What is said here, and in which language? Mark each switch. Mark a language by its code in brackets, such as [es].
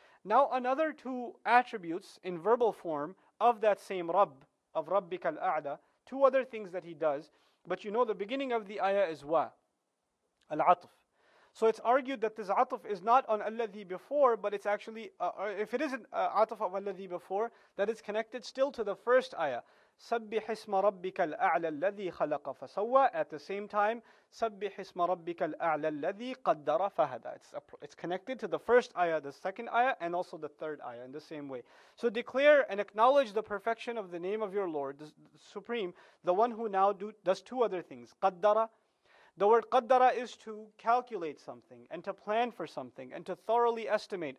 [en] Now another two attributes in verbal form of that same Rabb, of رَبِّكَ الْأَعْدَى, two other things that He does, but you know the beginning of the ayah is wa, al-atf. So it's argued that this atf is not on الَّذِي before, but it's actually, if it isn't atf of الَّذِي before, that it's connected still to the first ayah. [ar] سَبِّحِ اسْمَ رَبِّكَ الْأَعْلَى الَّذِي خَلَقَ فَسَوَّى. At the same time, سَبِّحِ اسْمَ رَبِّكَ الْأَعْلَى الَّذِي قَدَّرَ فَهَدَى. [en] It's connected to the first ayah, the second ayah, and also the third ayah in the same way. So declare and acknowledge the perfection of the name of your Lord, the Supreme, the one who now does two other things. قَدَّرَ. The word qaddara is to calculate something and to plan for something and to thoroughly estimate.